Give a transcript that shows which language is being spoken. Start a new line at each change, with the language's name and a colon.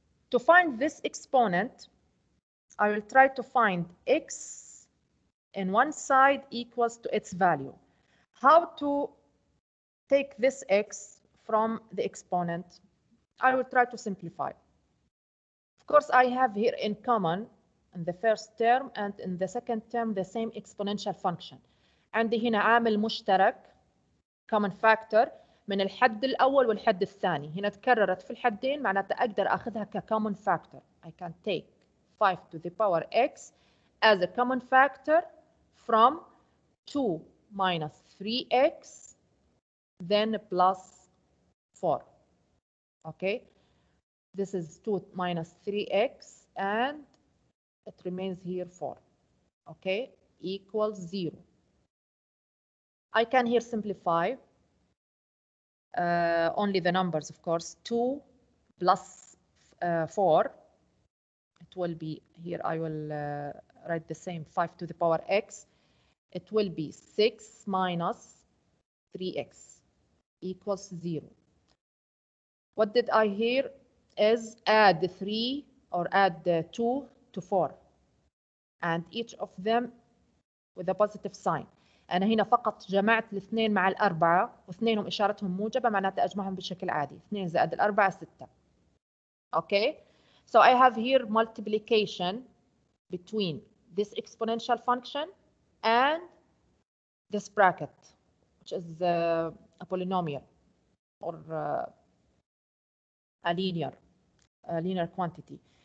English: To find this exponent, I will try to find x in one side equals to its value. How to take this x from the exponent? I will try to simplify. Of course, I have here in common in the first term and in the second term the same exponential function. And the
Arabic: هنا عامل مشترك,
English: common factor,
Arabic: من الحد الأول والحد الثاني. هنا تكررت في الحدين, معناته أقدر أخذها كcommon factor.
English: I can take 5 to the power x as a common factor from 2 minus 3x, then plus 4. Okay, this is 2 minus 3x, and it remains here 4. Okay, equals 0. I can here simplify only the numbers, of course, 2 plus 4. It will be here, I will write the same, 5 to the power x. It will be 6 minus 3x equals 0. What did I hear is add 3 or add 2 to 4. And each of them with a positive sign.
Arabic: أنا هنا فقط جمعت الاثنين مع الأربعة واثنينهم إشارتهم موجبة معناته أجمعهم بشكل عادي. 2 زائد الأربعة 6. Okay.
English: So I have here multiplication between this exponential function and this bracket, which is a polynomial or a linear quantity.